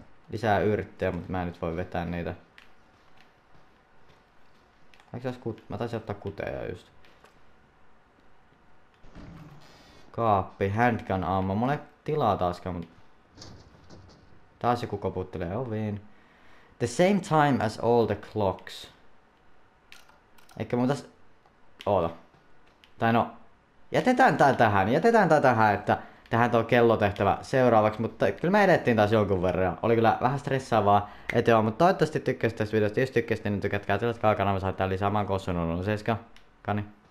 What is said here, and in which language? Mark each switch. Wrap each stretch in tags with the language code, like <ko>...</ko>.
<fi>Lisää yrttejä, mutta mä en nyt voi vetää niitä. Mä taisin ottaa kuteja just. Kaappi,</fi> <en>handgun ammo.</en> <fi>Mulla ei tilaa taaskaan, mutta... Taas joku koputtelee oviin.</fi> <en>The same time as all the clocks.</en> <fi>Eikä mun tässä... Oota. Tai no... Jätetään tää tähän, että... Tähän tuo kellotehtävä seuraavaksi, mutta kyllä me edettiin taas jonkun verran. Oli kyllä vähän stressaavaa, et joo, mutta toivottavasti tykkäsit tästä videosta. Jos tykkäsit, niin tykätkää, tilatkaa kanava, saattaa lisää. Mä oon kossunut 7. Kani.</fi>